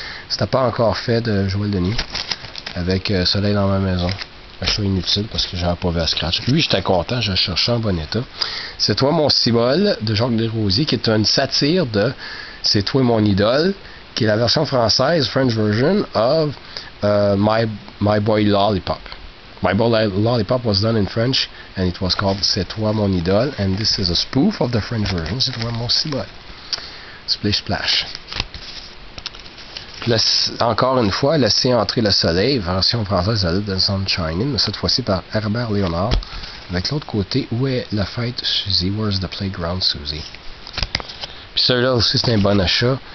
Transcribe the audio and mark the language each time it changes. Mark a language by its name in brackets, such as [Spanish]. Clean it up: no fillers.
[French] C'était pas encore fait de Joël Denis. Avec Soleil dans ma maison. Un choix inutile parce que j'avais pas vu à scratch. Lui, j'étais content, je cherchais en bon état. C'est toi mon cibole de Jacques Desrosiers, qui est une satire de C'est toi mon idole, qui est la version française, [English] French version, of [French] My Boy Lollipop. [English] My Boy Lollipop was done in French, and it was called C'est toi mon idole, and this is a spoof of the French version, C'est toi mon cibole. Splish splash. [French] Encore une fois, Laisser entrer le soleil, version française de Sunshine, mais cette fois-ci par Herbert Léonard. Avec l'autre côté, Où est la fête, Suzy? [English] Where's the playground, Suzy? [French] Puis celui-là aussi, c'est un bon achat.